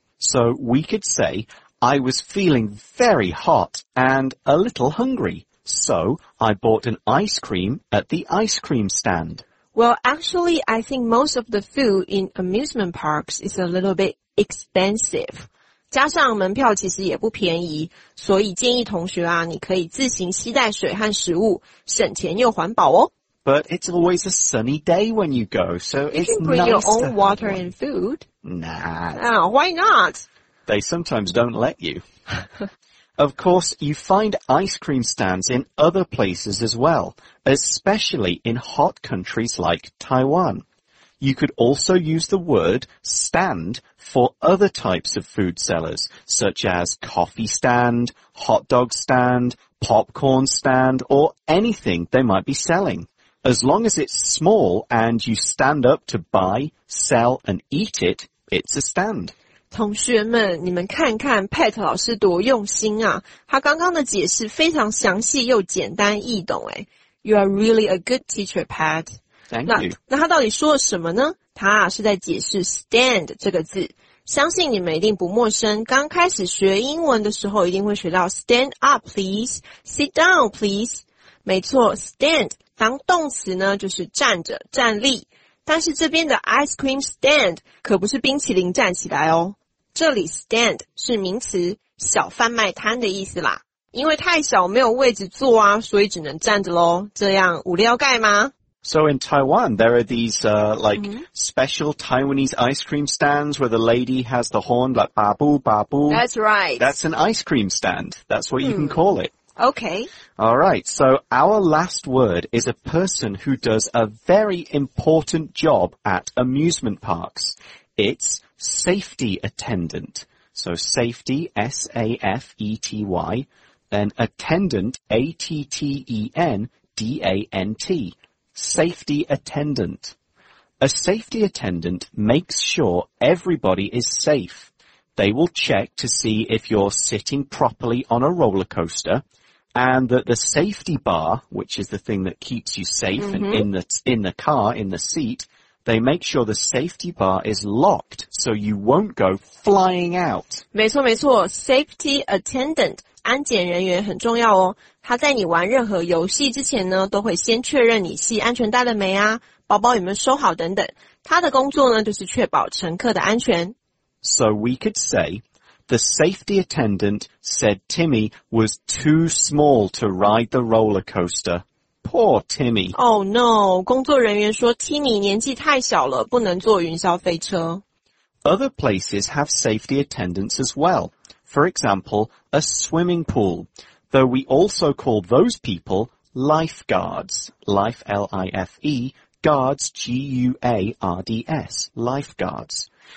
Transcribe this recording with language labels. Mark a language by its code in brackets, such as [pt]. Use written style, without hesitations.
[en] So we could say,I was feeling very hot and a little hungry, so I bought an ice cream at the ice cream stand. Well, actually, I think most of the food in amusement parks is a little bit expensive. [zh] 加上门票其实也不便宜，所以建议同学啊，你可以自行携带水和食物，省钱又环保哦。 [en] But it's always a sunny day when you go, so it's nice. You can bring your own water and food. Nah. Why not? They sometimes don't let you. Of course, you find ice cream stands in other places as well, especially in hot countries like Taiwan. You could also use the word stand for other types of food sellers, such as coffee stand, hot dog stand, popcorn stand, or anything they might be selling. As long as it's small and you stand up to buy, sell, and eat it, it's a stand. [zh] 同学们，你们看看 Pat 老师多用心啊！他刚刚的解释非常详细又简单易懂。 [en] 哎 ，You are really a good teacher, Pat. Thank you. [zh] 那他到底说了什么呢？他啊是在解释 stand 这个字。相信你们一定不陌生。刚开始学英文的时候，一定会学到 [en] stand up, please, sit down, please。 [zh] 没错 ，stand 当动词呢，就是站着、站立。但是这边的 ice cream stand 可不是冰淇淋站起来哦。这里 stand 是名词，小贩卖摊的意思啦。因为太小没有位置坐啊，所以只能站着咯。这样无聊盖吗？ [en] So in Taiwan, there are these, special Taiwanese ice cream stands where the lady has the horn, like, babu, babu. That's right. That's an ice cream stand. That's what you can call it. Okay. All right. So our last word is a person who does a very important job at amusement parks. It's safety attendant. So safety, S-A-F-E-T-Y, and attendant, A-T-T-E-N-D-A-N-T. Safety attendant. A safety attendant makes sure everybody is safe. They will check to see if you're sitting properly on a roller coaster and that the safety bar, which is the thing that keeps you safe and in the car, in the seat, they make sure the safety bar is locked so you won't go flying out. [zh] 没错没错 safety attendant. 安检人员很重要哦，他在你玩任何游戏之前呢，都会先确认你系安全带了没啊，包包有没有收好等等。他的工作呢，就是确保乘客的安全。 [en] So we could say, the safety attendant said Timmy was too small to ride the roller coaster. Poor Timmy. [zh] Oh no, 工作人员说 Timmy 年纪太小了，不能坐云霄飞车。 [en] Other places have safety attendants as well. For example, a swimming pool, though we also call those people lifeguards, life, L-I-F-E, guards, G-U-A-R-D-S, lifeguards.